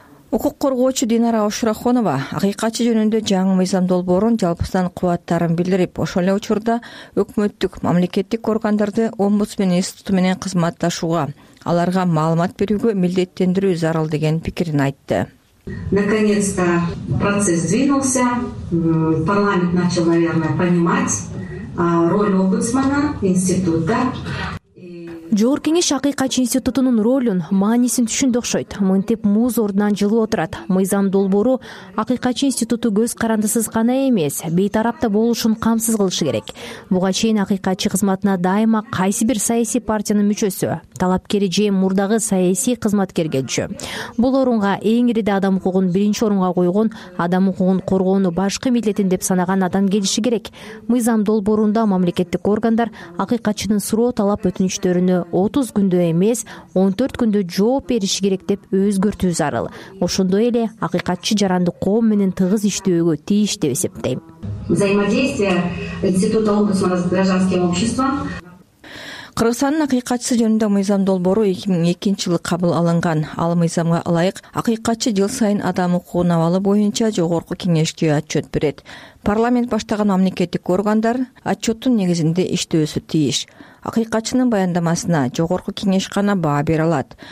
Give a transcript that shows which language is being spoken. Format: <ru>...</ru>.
<ky>Укук коргоочу Динара Ошурахонова акыйкатчы жөнүндө жаңы мыйзам долбоорун жалпысынан кубаттарын билдирип, ошол эле учурда өкмөттүк мамлекеттик органдарды омбудсмен институту менен кызматташууга, аларга маалымат берүүгө милдеттендирүү зарыл деген пикирин айтты.</ky> <ru>Наконец-то процесс двинулся, парламент начал, наверное, понимать роль омбудсмена, института.</ru> <ky>Жогорку кеңеш акыйкатчы институтунун ролун, маанисин түшүндү окшойт. Мынтип муз ордунан жылуу отурат. Мыйзам долбоору акыйкатчы институту көз карандысыз гана эмес, бейтарап да болушун камсыз кылышы керек. Буга чейин акыйкатчы кызматына дайыма кайсы бир саясий партиянын мүчөсү, талапкери же мурдагы саясий кызматкер келчү. Бул орунга эң ириде адам укугун биринчи орунга койгон, адам укугун коргоону башкы милдетин деп санаган адам келиши керек. Мыйзам долбоорунда мамлекеттик органдар акыйкатчынын суроо талап өтүнүчтөрүн 30 күндө эмес 14 күндө жооп бериши керек деп өзгөртүү зарыл. Ошондой эле акыйкатчы жарандык коом менен тыгыз иштөөгө тийиш деп эсептейм.</ky> <ru>Взаимодействие института омбудсмена с гражданским обществом.</ru> <ky>Кыргызстандын акыйкатчысы жөнүндө мыйзам долбоору 2002 жылы кабыл алынган. Ал мыйзамга ылайык акыйкатчы жыл сайын адам укугун абалы боюнча жогорку кеңешке отчет берет. Парламент баштаган мамлекеттик органдар отчеттун негизинде иштөөсү тийиш. Акыйкатчынын баяндамасына жогорку кеңеш гана баа бере алат.</ky>